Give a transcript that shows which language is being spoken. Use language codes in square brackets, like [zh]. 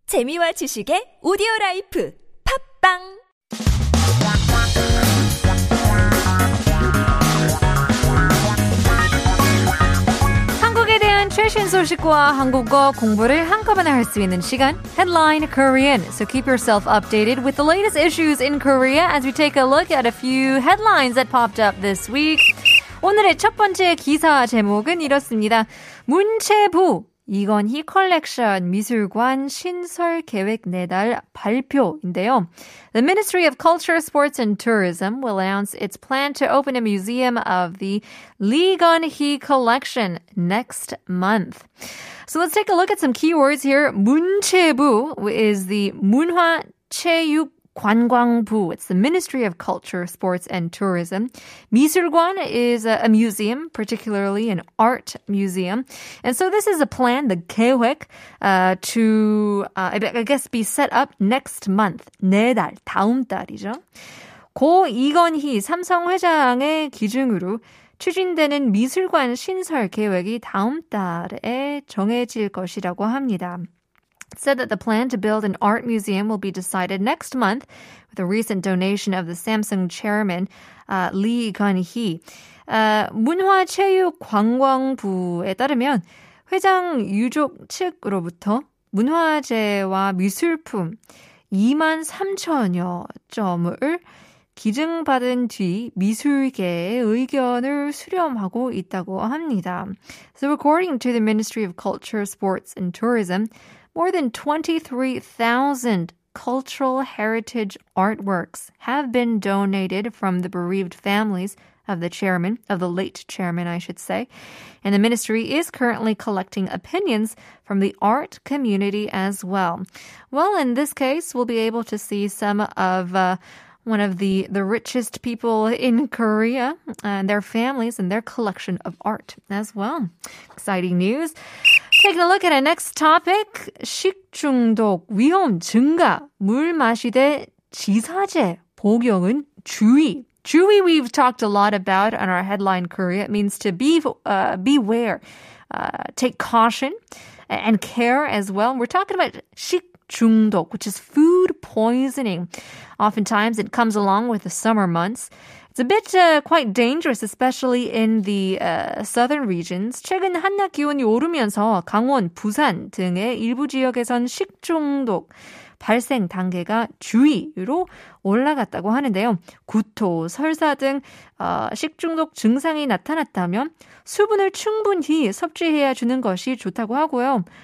[ko] 재미와 지식의 오디오라이프 팝빵 한국에 대한 최신 소식과 한국어 공부를 한꺼번에 할 수 있는 시간 [en] Headline Korean So keep yourself updated with the latest issues in Korea as we take a look at a few headlines that popped up this week [ko] 오늘의 첫 번째 기사 제목은 이렇습니다 문체부 이건희 컬렉션 미술관 신설 계획 내달 발표인데요. [en] The Ministry of Culture, Sports and Tourism will announce its plan to open a museum of the Lee Gun-hee Collection next month. So let's take a look at some keywords here. 문체부 is the 문화체육 관광부, it's the Ministry of Culture, Sports and Tourism. 미술관 is a museum, particularly an art museum. And so this is a plan, the 계획, to be set up next month. [ko] 내달, 다음 달이죠. 고 이건희 삼성 회장의 기증으로 추진되는 미술관 신설 계획이 다음 달에 정해질 것이라고 합니다. [en] Said that the plan to build an art museum will be decided next month with a recent donation of the Samsung chairman, Lee Gun-hee. [ko] 문화체육관광부에 따르면 회장 유족 측으로부터 문화재와 미술품 2만 3천여 점을 기증받은 뒤 미술계의 의견을 수렴하고 있다고 합니다. [en] So according to the Ministry of Culture, Sports and Tourism, More than 23,000 cultural heritage artworks have been donated from the bereaved families of the chairman, of the late chairman, I should say. And the ministry is currently collecting opinions from the art community as well. Well, in this case, we'll be able to see some of one of the richest people in Korea and their families and their collection of art as well. Exciting news. Taking a look at our next topic, [ko] 식중독 위험 증가, 물 마시되 지사제 복용은 주의. [en] 주의 we've talked a lot about on our headline Korea. It means to beware, take caution and care as well. We're talking about 식중독, which is food poisoning. Oftentimes it comes along with the summer months. It's a bit quite dangerous, especially in the southern regions. [ko] 최근 한낮 기온이 오르면서 강원, 부산 등의 일부 지역에선 식중독 발생 단계가 주의로 올라갔다고 하는데요. 구토, 설사 등 식중독 증상이 나타났다면 수분을 충분히 섭취해야 주는 것이 좋다고 하고요.